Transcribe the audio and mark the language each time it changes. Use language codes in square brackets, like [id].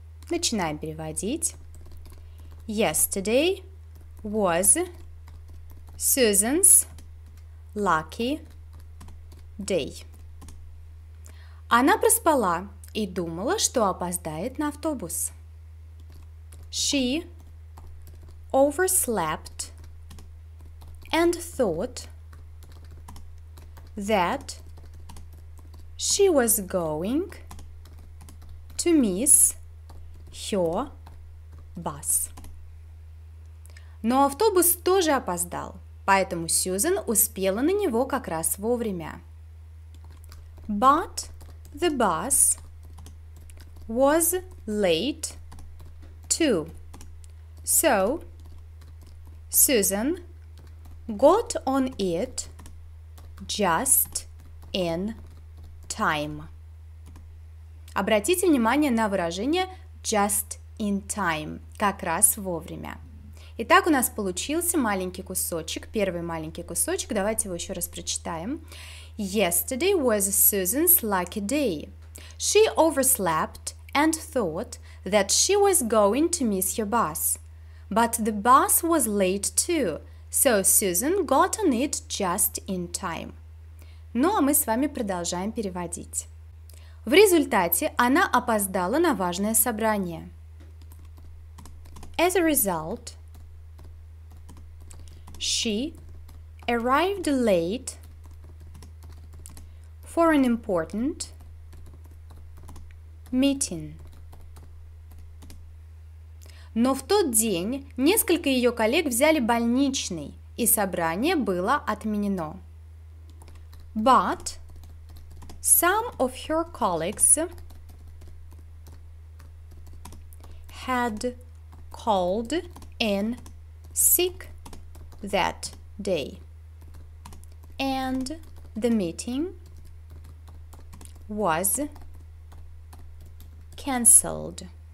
[ru] Начинаем переводить. [en] Yesterday was Susan's lucky day. [ru] Она проспала и думала, что опоздает на автобус. [en] She overslept and thought that she was going to miss her bus. [ru] Но автобус тоже опоздал, поэтому Сьюзен успела на него как раз вовремя. [en] But the bus was late too, so Susan got on it just in time. [ru] Обратите внимание на выражение [en] just in time, [ru] как раз вовремя. Итак, у нас получился маленький кусочек, первый маленький кусочек. Давайте его еще раз прочитаем. [en] Yesterday was Susan's lucky day. She overslept and thought that she was going to miss her bus. But the bus was late too, so Susan got on it just in time. [ru] Ну, а мы с вами продолжаем переводить. В результате она опоздала на важное собрание. [en] As a result, she arrived late for an important meeting. [ru] Но в тот день несколько ее коллег взяли больничный, и собрание было отменено. [en] But some of her colleagues had called in sick that day, and the meeting was cancelled.